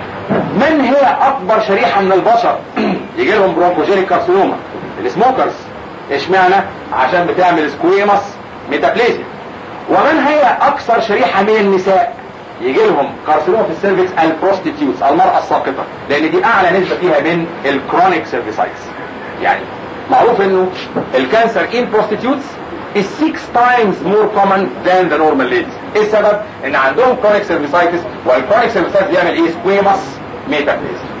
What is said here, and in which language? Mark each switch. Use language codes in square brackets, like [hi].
[ar] من هي اكبر شريحه من البشر يجي لهم برونكوجينيك كارسينوما؟ السموكرز. اشمعنى؟ عشان بتعمل سكويماس ميتافليجي. ومن هي اكثر شريحه من النساء يجي لهم كارسينوما في السيرفيكس؟ البروستيتيوتس، المراه الساقطه، لان دي اعلى نسبه فيها من الكرونيك سيرفيسايتس. يعني معروف انه [en] الكانسر ان prostitutes is 6 times more common than the normal ladies. [ar] السبب ان عندهم كرونيك سيرفيسايتس، والكرونيك سيرفيسايتس بيعمل ايه؟ سكويماس ميتافليز.